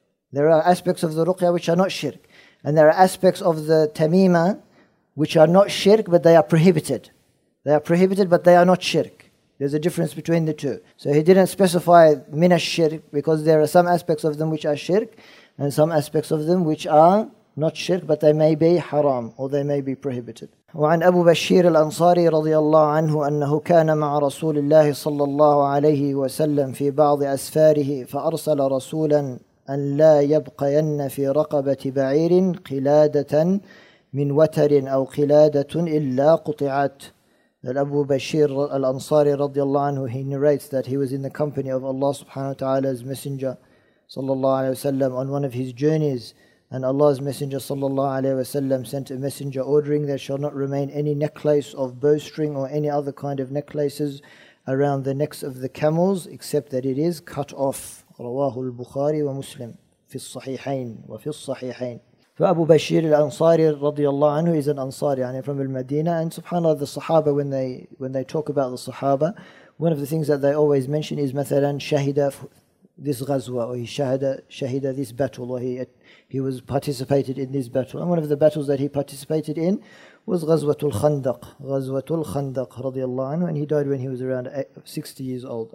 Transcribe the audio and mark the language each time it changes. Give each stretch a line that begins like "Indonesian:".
English: There are aspects of the ruqya which are not shirk. And there are aspects of the tamima which are not shirk, but they are prohibited. They are prohibited, but they are not shirk. There's a difference between the two. So he didn't specify min ash-shirk, because there are some aspects of them which are shirk, and some aspects of them which are not shirk, but they may be haram, or they may be prohibited.
Arabic: وعن أبو بشير الأنصاري رضي الله عنه أنه كان مع رسول الله صلى الله عليه وسلم في بعض أسفاره فأرسل رسولا أن لا يبقين في رقبة بعير قلادة من وتر أو قلادة إلا قطعت. أبو بشير الأنصاري رضي الله عنه,
English: he narrates that he was in the company of Allah subhanahu wa ta'ala's messenger صلى الله عليه وسلم on one of his journeys. And Allah's Messenger sallallahu alayhi wa sallam sent a messenger ordering there shall not remain any necklace of bowstring or any other kind of necklaces around the necks of the camels except that it is cut off.
Arabic: رواه البخاري ومسلم في الصحيحين وفي الصحيحين. فأبو بشير الأنصاري رضي الله عنه
English: is an Ansari,
Arabic: يعني
English: from Al-Madinah. And subhanAllah, the Sahaba, when they talk about the Sahaba, one of the things that they always mention is
Arabic: مثلا شهد
English: this ghazwa, or he shahida this battle, or he was participated in this battle. And one of the battles that he participated in was Ghazwatul Khandaq radiyallahu anhu, and he died when he was around 60 years old.